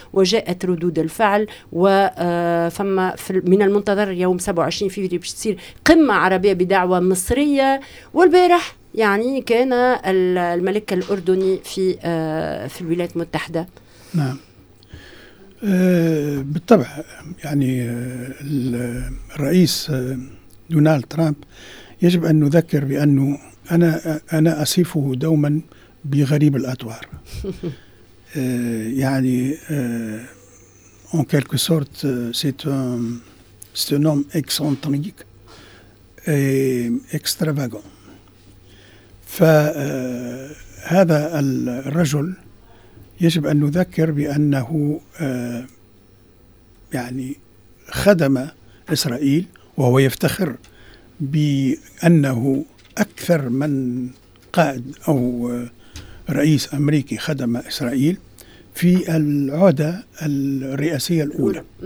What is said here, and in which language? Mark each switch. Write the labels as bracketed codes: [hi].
[ar] وجاءت ردود الفعل، وفما من المنتظر يوم 27 فبراير باش تصير قمة عربية بدعوة مصرية، والبارح يعني كان الملك الأردني في الولايات المتحدة. نعم بالطبع يعني الرئيس دونالد ترامب يجب أن نذكر بأنه أنا أصفه دوما بغريب الأطوار. [fr] يعني en quelque sorte c'est un homme excentrique et extravagant. [ar] فهذا الرجل يجب أن نذكر بأنه يعني خدم إسرائيل، وهو يفتخر بأنه أكثر من قائد أو رئيس أمريكي خدم إسرائيل في العهدة الرئاسية الأولى.